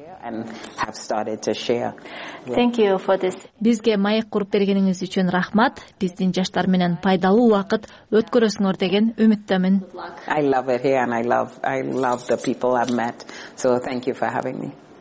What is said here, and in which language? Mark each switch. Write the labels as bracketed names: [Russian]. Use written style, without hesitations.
[English] And have started to share. Yeah. Thank you for this. [Kyrgyz] Бизге маек куруп бергениңиз үчүн рахмат. Биздин жаштар менен пайдалуу убакыт өткөрөсүңөр деген үмүттөмүн. [English] I love it here and I love the people I've met. So thank you for having me.